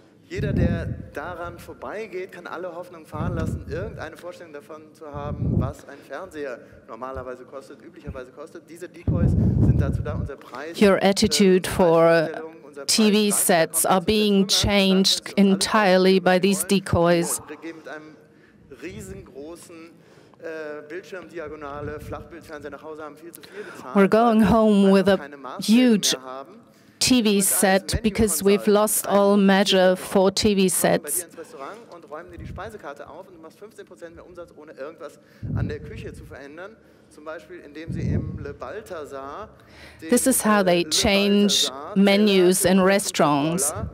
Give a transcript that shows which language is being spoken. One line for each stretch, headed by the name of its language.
German: Jeder, der daran vorbeigeht, kann alle Hoffnung fahren lassen, irgendeine Vorstellung davon zu haben, was ein Fernseher normalerweise kostet, üblicherweise kostet. Diese Decoys sind dazu da, unser Preis.
English: Your attitude for TV sets are being changed entirely by these decoys.
German: Wir gehen mit einem riesengroßen Bildschirmdiagonale, Flachbildfernseher nach Hause, haben viel zu viel bezahlt.
English: We're going home with a huge TV set because we've lost all measure for TV sets.
German: Und räumen dir die Speisekarte auf und du machst 15% mehr Umsatz, ohne irgendwas an der Küche zu verändern. Zum Beispiel, indem sie im Le Balthasar.
English: This is how they change menus in restaurants.